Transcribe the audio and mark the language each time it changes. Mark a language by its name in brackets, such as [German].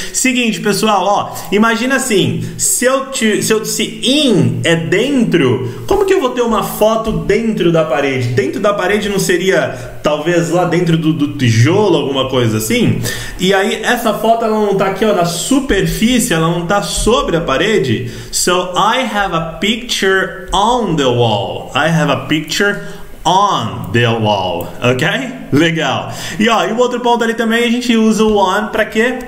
[Portuguese] Seguinte, pessoal, ó, imagina assim, se in é dentro, como que eu vou ter uma foto dentro da parede? Dentro da parede não seria, talvez, lá dentro do tijolo, alguma coisa assim? E aí, essa foto, ela não tá aqui, ó, na superfície, ela não tá sobre a parede? [English] So, I have a picture on the wall. I have a picture on the wall, ok? [Portuguese] Legal. E ó, e o outro ponto ali também, a gente usa o on pra quê?